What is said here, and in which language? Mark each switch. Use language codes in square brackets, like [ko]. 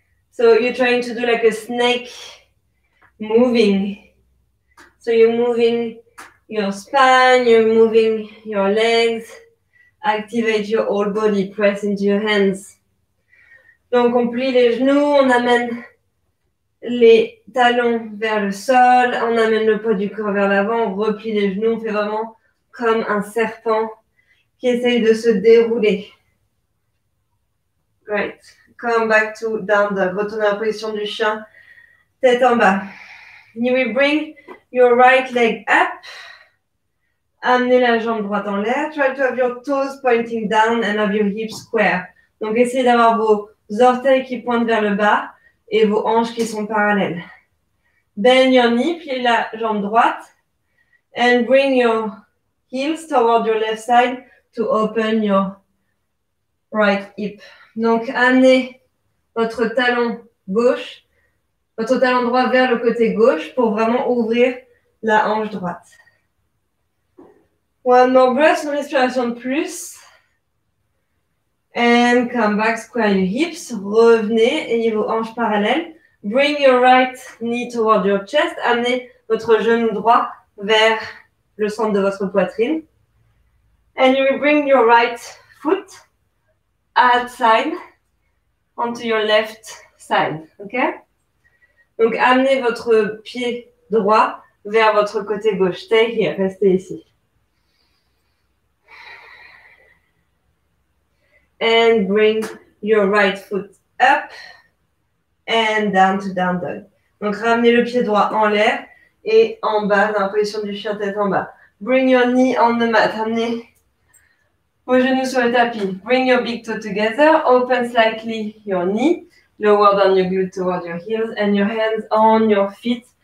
[en] So you're trying to do like a snake moving. So you're moving your spine, you're moving your legs, activate your whole body, press into your hands. [fr] Donc on plie les genoux, on amène les talons vers le sol, on amène le poids du corps vers l'avant, on replie les genoux, on fait vraiment comme un serpent qui essaye de se dérouler. [en] Great. Come back to down dog. [fr] Retournez à la position du chien, tête en bas. [en] You will bring your right leg up. [fr] Amenez la jambe droite en l'air. [en] Try to have your toes pointing down and have your hips square. [fr] Donc, essayez d'avoir vos orteils qui pointent vers le bas et vos hanches qui sont parallèles. [en] Bend your knee, [fr] pliez la jambe droite. [en] And bring your heels toward your left side to open your right hip. [fr] Donc, amenez votre talon gauche, votre talon droit vers le côté gauche pour vraiment ouvrir la hanche droite. [en] One more breath, [fr] une respiration de plus. [en] And come back, square your hips. [fr] Revenez, ayez vos hanches parallèles. [en] Bring your right knee toward your chest. [fr] Amenez votre genou droit vers le centre de votre poitrine. [en] And you bring your right foot outside onto your left side. OK? [fr] Donc, amenez votre pied droit vers votre côté gauche. [en] Stay here, [fr] restez ici. [en] And bring your right foot up and down to down dog. [fr] Donc, ramenez le pied droit en l'air et en bas, dans la position du chien tête en bas. [en] Bring your knee on the mat. [fr] Amenez vos genoux sur le tapis. [en] Bring your big toe together. Open slightly your knee. Lower down your glute toward your heels. And your hands on your feet.